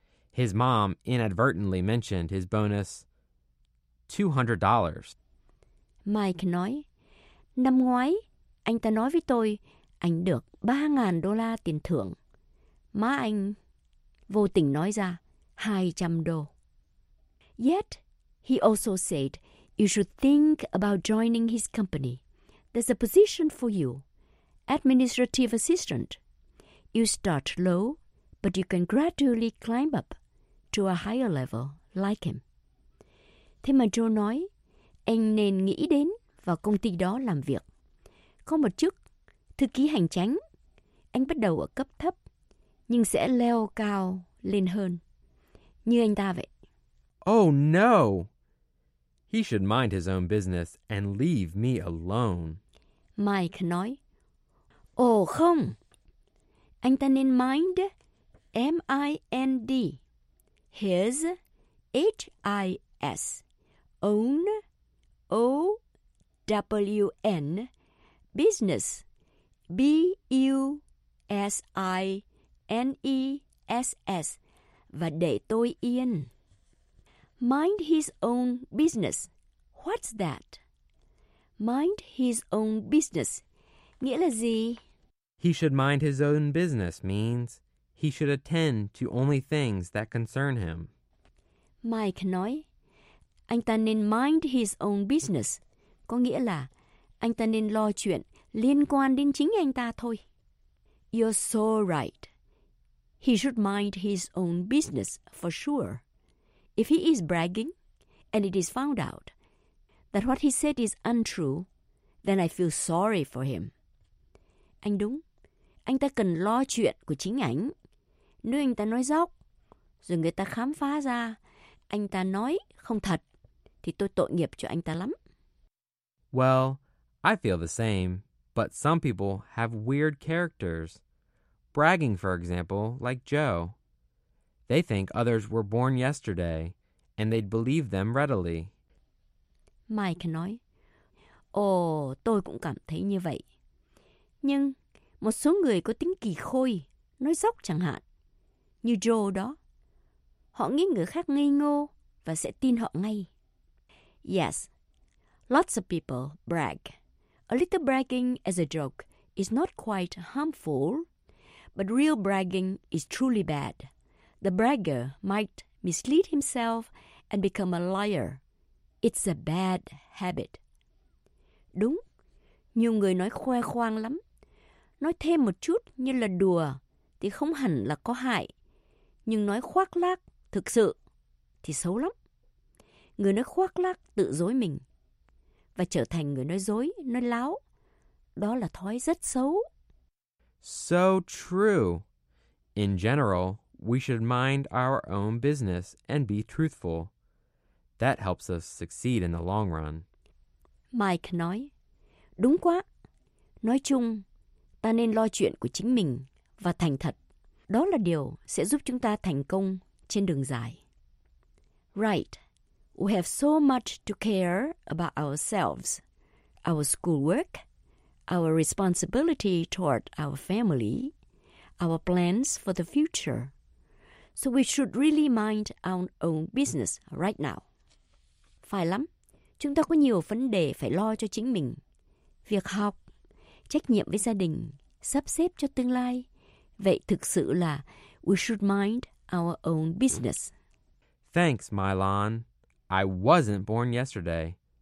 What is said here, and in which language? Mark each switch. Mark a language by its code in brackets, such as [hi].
[en] His mom inadvertently mentioned his bonus $200. [vi] Mike nói, năm ngoái, anh ta nói với tôi, anh được $3,000 tiền thưởng. Má anh vô tình nói ra, $200. [en] Yet, he also said, you should think about joining his company. There's a position for you, administrative assistant. You start low, but you can gradually climb up to a higher level like him. [vi] Thế mà Joe nói, anh nên nghĩ đến vào công ty đó làm việc. Có một chức thư ký hành chính, anh bắt đầu ở cấp thấp, nhưng sẽ leo cao lên hơn, như anh ta vậy. [en] Oh no! He should mind his own business and leave me alone. [vi] Mike nói, ồ không! Anh ta nên [en] mind, M-I-N-D, his, H-I-S, own, O-W-N, business, B-U-S-I-N-E-S-S. SS [vi] và để tôi yên. [en] Mind his own business. What's that? Mind his own business. [vi] Nghĩa là gì? [en] He should mind his own business means he should attend to only things that concern him. [vi] Mike nói, anh ta nên [en] mind his own business. [vi] Có nghĩa là anh ta nên lo chuyện liên quan đến chính anh ta thôi. [en] You're so right. He should mind his own business for sure. If he is bragging and it is found out that what he said is untrue, then I feel sorry for him. [vi] Anh đúng. Anh ta cần lo chuyện của chính ảnh. Nếu anh ta nói dốc, rồi người ta khám phá ra anh ta nói không thật, thì tôi tội nghiệp cho anh ta lắm. [en] Well, I feel the same, but some people have weird characters. Bragging, for example, like Joe. They think others were born yesterday, and they'd believe them readily. [vi] Mike nói, ồ, tôi cũng cảm thấy như vậy. Nhưng một số người có tính kỳ khôi, nói dốc chẳng hạn, như Joe đó. Họ nghĩ người khác ngây ngô và sẽ tin họ ngay. [en] Yes, lots of people brag. A little bragging as a joke is not quite harmful, but real bragging is truly bad. The bragger might mislead himself and become a liar. It's a bad habit. [vi] Đúng, nhiều người nói khoe khoang lắm. Nói thêm một chút như là đùa thì không hẳn là có hại. Nhưng nói khoác lác thực sự thì xấu lắm. Người nói khoác lác tự dối mình và trở thành người nói dối, nói láo. Đó là thói rất xấu. [en] So true. In general, we should mind our own business and be truthful. That helps us succeed in the long run. [vi] Mike nói, đúng quá. Nói chung, ta nên lo chuyện của chính mình và thành thật. Đó là điều sẽ giúp chúng ta thành công trên đường dài. [en] Right. We have so much to care about ourselves, our schoolwork, our responsibility toward our family, our plans for the future. So we should really mind our own business right now. [vi] Phải lắm. Chúng ta có nhiều vấn đề phải lo cho chính mình. Việc học, trách nhiệm với gia đình, sắp xếp cho tương lai. Vậy thực sự là [en] we should mind our own business. Thanks, Mylon. I wasn't born yesterday.